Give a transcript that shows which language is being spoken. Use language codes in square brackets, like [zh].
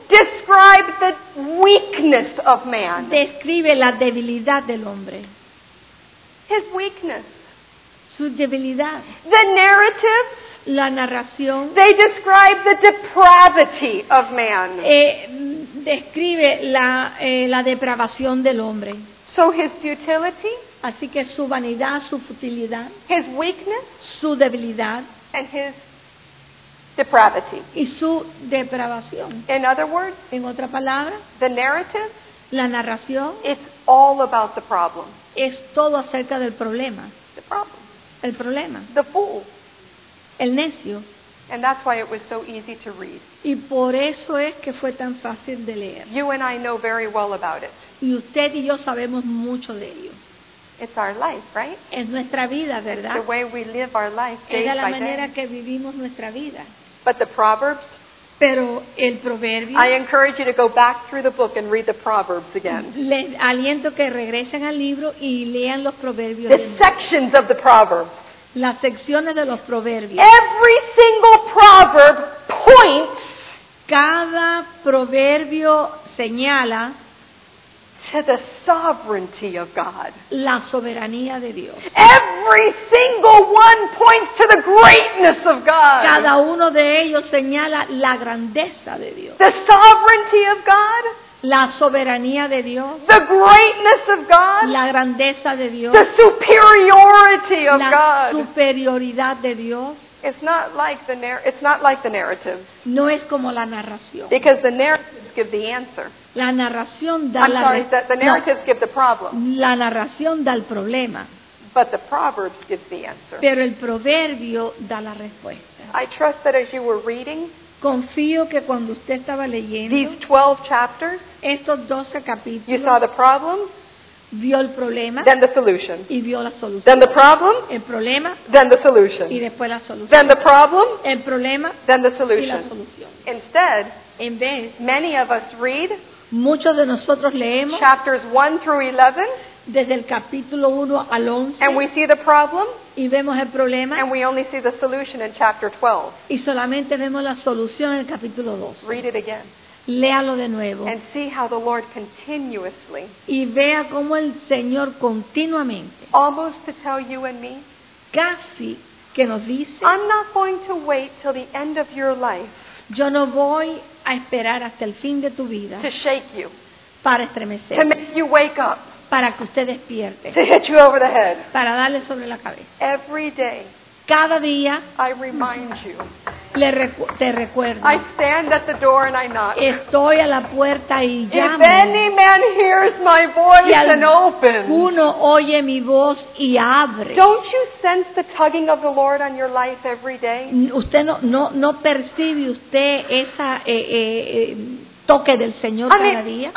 [en] Describe the weakness of man. [es] Describe la debilidad del hombre. [en] His weakness. [es] Su debilidad. [en] The narratives. [es] La narración. [en] They describe the depravity of man. [es] Describe la la depravación del hombre. [en] So his futility, [es] así que su vanidad, su futilidad, [en] his weakness, [es] su debilidad, [en] and his depravity, [es] y su depravación. [en] In other words, [es] en otra palabra, [en] the narrative, [es] la narración, [en] it's all about the problem. [es] Es todo acerca del problema. [en] The problem. [es] El problema. [en] The fool. [es] El necio. [en] And that's why it was so easy to read. [es] Y por eso es que fue tan fácil de leer. [en] You and I know very well about it. [es] Y usted y yo sabemos mucho de ello. [en] It's our life, right? [es] Es nuestra vida, ¿verdad? [en] It's the way we live our life day by day. [es] Es la manera que vivimos nuestra vida. [en] But the proverbs. [es] Pero el proverbio. [en] I encourage you to go back through the book and read the proverbs again. [es] Les aliento que regresen al libro y lean los proverbios. [en] The sections of the proverbs. [es] Las secciones de los proverbios. [en] Every single proverb points. [es] Cada proverbio señala [en] to the sovereignty of God. [es] La soberanía de Dios. [en] Every single one points to the greatness of God. [es] Cada uno de ellos señala la grandeza de Dios. [en] The sovereignty of God. [es] La soberanía de Dios. [en] The greatness of God. [es] La grandeza de Dios. [en] The superiority of God. [es] La superioridad de Dios. [en] It's not like the narratives. [es] No es como la narración. [en] Because the narratives give the answer. [es] La narración da [en] the narratives give the problem. [es] La narración da el problema. [en] But the proverbs give the answer. [es] Pero el proverbio da la respuesta. [en] I trust that as you were reading, [es] confío que cuando usted estaba leyendo [en] these 12 chapters, [es] estos 12 capítulos, [en] you saw the problem, [es] vio el problema, [en] then the solution. [es] Y vio la solución. [en] Then the problem, [es] el problema, [en] then the solution. [es] Y después la solución. [en] Then the problem, [es] el problema, [en] then the solution. [es] Y la solución. [en] Instead, [es] en vez, [en] many of us read, [es] muchos de nosotros leemos, [en] chapters 1 through 11, [es] desde el capítulo 1 al 11, [en] and we see the problem, [es] y vemos el problema, [en] and we only see the solution in chapter 12. [es] Y solamente vemos la solución en el capítulo 12. [en] Read it again. [es] Léalo de nuevo. [en] And see how the Lord continuously, [es] y vea cómo el Señor continuamente, [en] almost to tell you and me, [es] casi que nos dice, [en] I'm not going to wait till the end of your life, [es] yo no voy a esperar hasta el fin de tu vida, [en] to shake you, [es] para estremecer, [en] to make you wake up, [es] para que usted despierte, [en] to hit you over the head, [es] para darle sobre la cabeza. [en] Every day, [es] cada día, [en] I remind you, [es] te recuerdo, [en] I stand at the door and I knock. [es] Estoy a la puerta y llamo. [en] If any man hears my voice and opens, [es] uno oye mi voz y abre. [en] Don't you sense the tugging of the Lord on your life every day? [es] ¿Usted no percibe usted esa toque del Señor cada día?